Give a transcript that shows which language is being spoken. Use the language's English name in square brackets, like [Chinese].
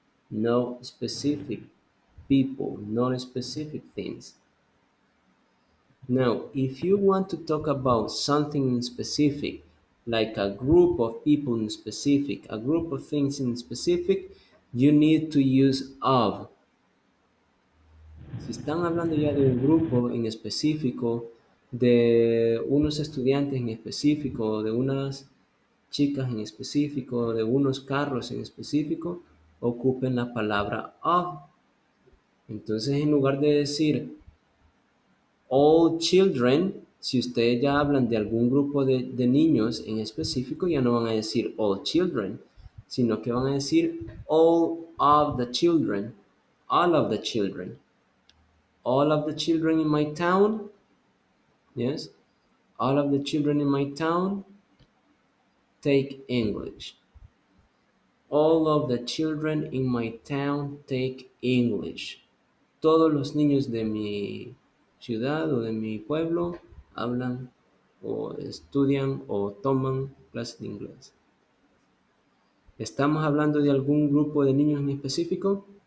[English] No specific people, not specific things. Now, if you want to talk about something in specific, like a group of people in specific, a group of things in specific, you need to use of. [Spanish] Si están hablando ya de un grupo en específico, de unos estudiantes en específico, de unas chicas en específico, de unos carros en específico, ocupen la palabra of. Entonces, en lugar de decir [English] all children, [Spanish] si ustedes ya hablan de algún grupo de niños en específico, ya no van a decir all children, sino que van a decir [English] all of the children, all of the children. All of the children in my town, yes, all of the children in my town take English. All of the children in my town take English. [Spanish] Todos los niños de mi ciudad o de mi pueblo hablan o estudian o toman clases de inglés. ¿Estamos hablando de algún grupo de niños en específico?